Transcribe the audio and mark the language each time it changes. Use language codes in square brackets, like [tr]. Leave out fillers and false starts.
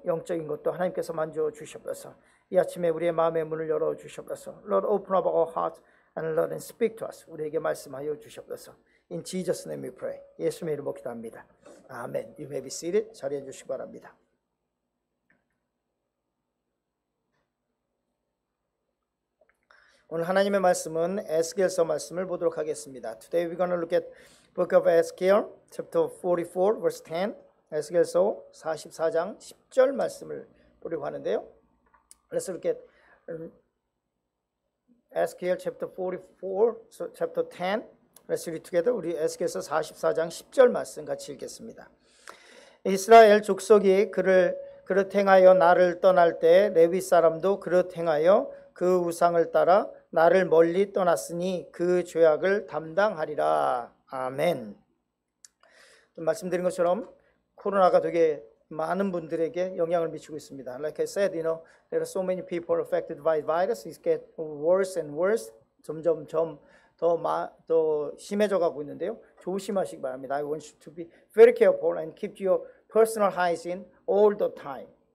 [ko] 영적인 것도 하나님께서 만져 주시옵소서. 이 아침에 우리의 마음의 문을 열어 주시옵소서. [en] Lord, open up our heart and Lord, and speak to us. [ko] 우리에게 말씀하여 주시옵소서. [en] In Jesus' name we pray. [ko] 예수님의 이름으로 기도합니다. [en] 아멘. You may be seated. [ko] 자리해 주시기 바랍니다. 오늘 하나님의 말씀은 에스겔서 말씀을 보도록 하겠습니다. [en] Today we're going to look at Book of Ezekiel, chapter 44, verse 10. [ko] 에스겔서 44장 10절 말씀을 보려고 하는데요. [en] Let's look at Ezekiel chapter 44, so chapter 10. Let's read together. [ko] 우리 에스겔서 44장 10절 말씀 같이 읽겠습니다. 이스라엘 족속이 그를 그릇 행하여 나를 떠날 때 레위 사람도 그릇 행하여 그 우상을 따라 나를 멀리 떠났으니 그 죄악을 담당하리라. 아멘. 말씀드린 것처럼 코로나가 되게 많은 분들에게 영향을 미치고 있습니다. [en] Like I said, you know, there are so many people affected by virus. It gets worse and worse. [ko] 점점 더 심해져가고 있는데요. 조심하시기 바랍니다. [en] I want you to be very careful and keep your personal hygiene all the time.